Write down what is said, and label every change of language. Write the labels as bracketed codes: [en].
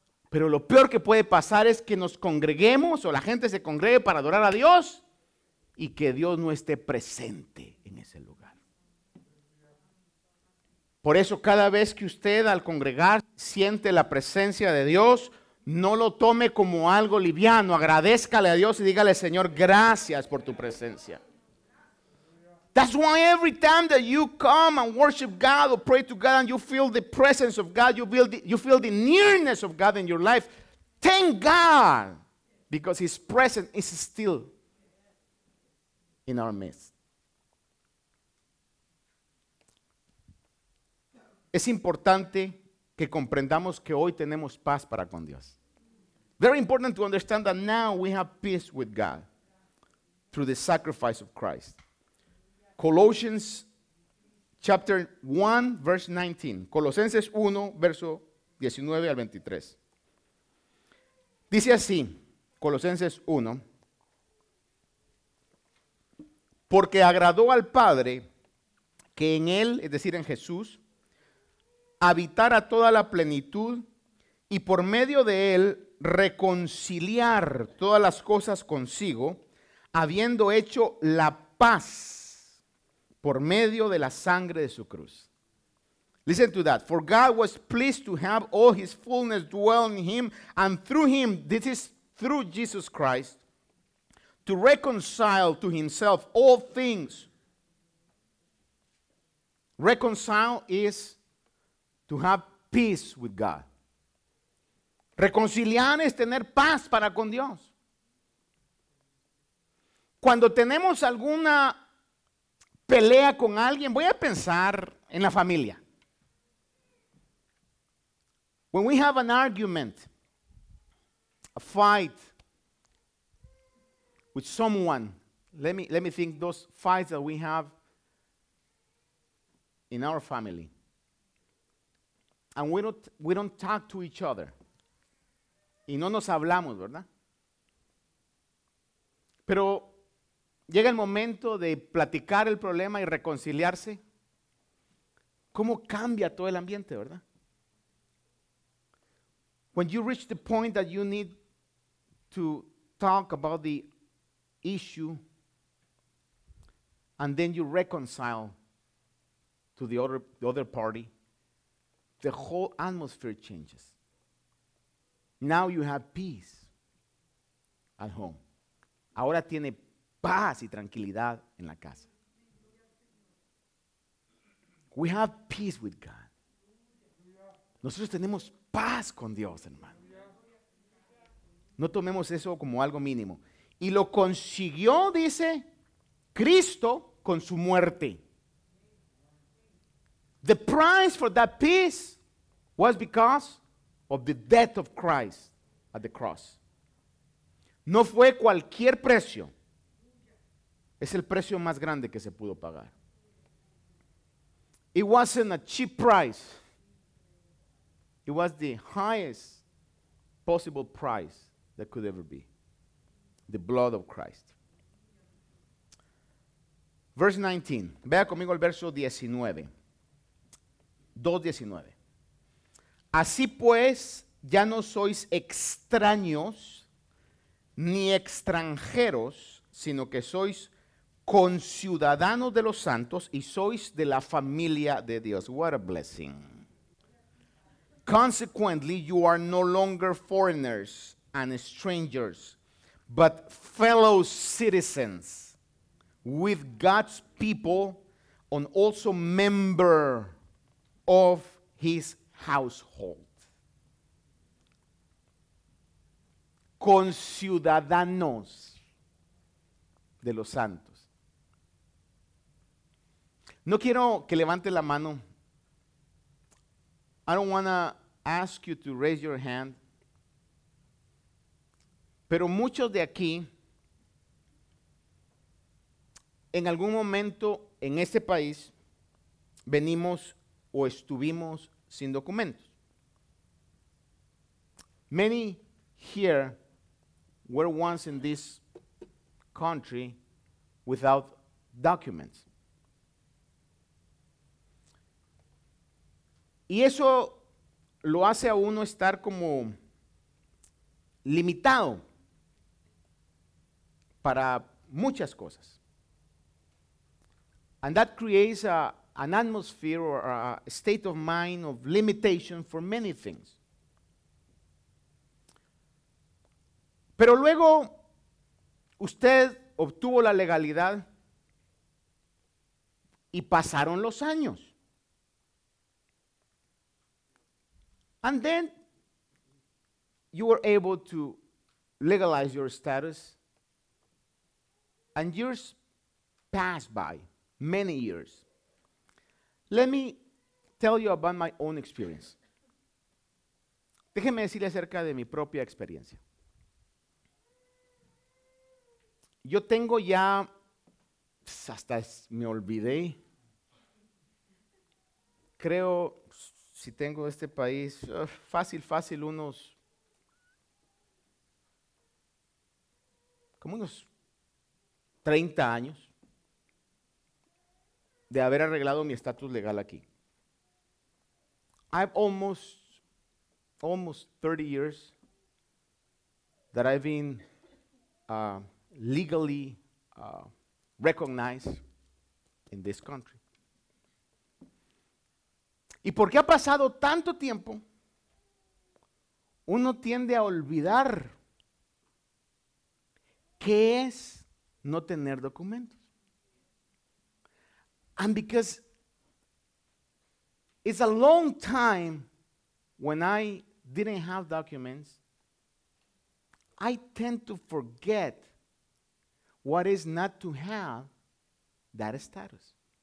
[es] Pero lo peor que puede pasar es que nos congreguemos o la gente se congregue para adorar a Dios y que Dios no esté presente en ese lugar. Por eso cada vez que usted al congregar siente la presencia de Dios, no lo tome como algo liviano, agradézcale a Dios y dígale: Señor, gracias por tu presencia. [en] That's why every time that you come and worship God or pray to God and you feel the presence of God, you feel the nearness of God in your life, thank God, because His presence is still in our midst. [es] Es importante que comprendamos que hoy tenemos paz para con Dios. [en] Very important to understand that now we have peace with God through the sacrifice of Christ. Colossians chapter 1, verse 19. [es] Colosenses 1, verso 19 al 23. Dice así, Colosenses 1. Porque agradó al Padre que en Él, es decir, en Jesús, habitara toda la plenitud y por medio de Él reconciliar todas las cosas consigo, habiendo hecho la paz por medio de la sangre de su cruz. [en] Listen to that. For God was pleased to have all his fullness dwell in him, and through him, this is through Jesus Christ, to reconcile to himself all things. Reconcile is to have peace with God. [es] Reconciliar es tener paz para con Dios. Cuando tenemos alguna pelea con alguien, voy a pensar en la familia. [en] When we have an argument, a fight with someone, let me think those fights that we have in our family, and we don't talk to each other, [es] y no nos hablamos, ¿verdad? Pero llega el momento de platicar el problema y reconciliarse, ¿cómo cambia todo el ambiente, verdad? [en] When you reach the point that you need to talk about the issue and then you reconcile to the other party, the whole atmosphere changes. Now you have peace at home. [es] Ahora tiene paz y tranquilidad en la casa. [en] We have peace with God. [es] Nosotros tenemos paz con Dios, hermano. No tomemos eso como algo mínimo. Y lo consiguió, dice Cristo, con su muerte. [en] The price for that peace was because of the death of Christ at the cross. [es] No fue cualquier precio. Es el precio más grande que se pudo pagar. [en] It wasn't a cheap price. It was the highest possible price that could ever be. The blood of Christ. Verse 19. [es] Vea conmigo el verso 19. 2:19. Así pues, ya no sois extraños ni extranjeros, sino que sois conciudadanos de los santos y sois de la familia de Dios. [en] What a blessing. Consequently, you are no longer foreigners and strangers, but fellow citizens with God's people and also member of his household. [es] Conciudadanos de los santos. No quiero que levante la mano. [en] I don't want to ask you to raise your hand. [es] Pero muchos de aquí, en algún momento en este país, venimos o estuvimos sin documentos. [en] Many here were once in this country without documents. [es] Y eso lo hace a uno estar como limitado para muchas cosas. [en] And that creates an atmosphere or a state of mind of limitation for many things. [es] Pero luego usted obtuvo la legalidad y pasaron los años. [en] And then you were able to legalize your status, and years passed by, many years. Let me tell you about my own experience. [es] Déjeme decirle acerca de mi propia experiencia. Yo tengo ya, hasta me olvidé, creo, si tengo este país, fácil, unos 30 años de haber arreglado mi estatus legal aquí. [en] I've almost 30 years that I've been legally recognized in this country. [es] Y porque ha pasado tanto tiempo, uno tiende a olvidar qué es no tener documentos. [en] And because it's a long time when I didn't have documents, I tend to forget what is not to have that status.